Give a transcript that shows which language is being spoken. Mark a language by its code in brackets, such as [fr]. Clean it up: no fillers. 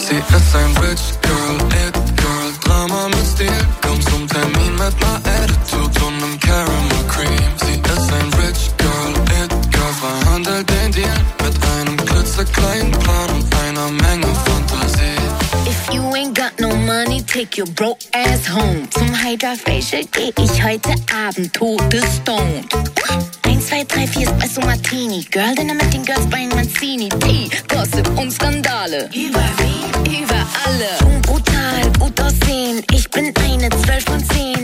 [de] Sie ist ein Rich Girl, It-Girl, Drama mit Stil. Komm zum Termin mit einer Attitude und einem Caramel Cream. Sie ist ein Rich Girl, It-Girl, verhandelt den Deal mit einem klitzekleinen Plan und einer Menge Fantasie. [en] If you ain't got no money, take your broke ass home. [de] Zum Hydra-Facial geh ich heute Abend, todestoned. 1, 2, 3, 4 Espresso Martini. Girl, dinner mit den Girls bei Mancini. Tee, Gossip und Skandale. Über wie? Über alle. Jung, brutal, gut aussehen. Ich bin eine 12 von 10.